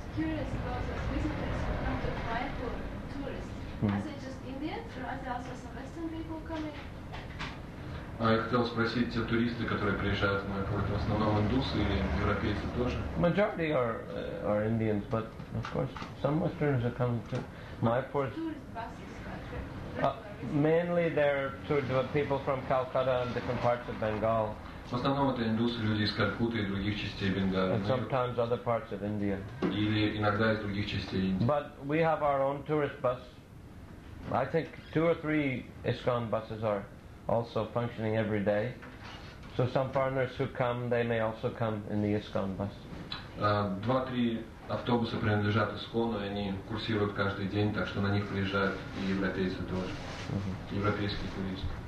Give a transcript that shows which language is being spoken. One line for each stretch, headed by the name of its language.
English: I'm just curious about those visitors who come to apply for tourists. Mm-hmm. Is it just Indians or are there also some Western people coming?
Russian: Я хотел спросить, те туристы, которые приезжают в Майпур, это в основном индусы или европейцы тоже?
English: Majority are Indians, but of course some Westerners are coming to Майпур. Tourist buses. Mainly they're people from Calcutta and different parts of Bengal.
Russian: В основном это индусы, люди из Калькутты и других частей Бенгала.
English: And sometimes other parts of India.
Russian: Или иногда из других частей Индии.
English: But we have our own tourist bus. I think two or three ISKCON buses are also functioning every day. So some foreigners who come, they may also come in the ISKCON bus.
Russian: 2-3 автобуса принадлежат ИСКОНу, и они курсируют каждый день, так что на них приезжают и европейцы тоже, mm-hmm. европейские туристы.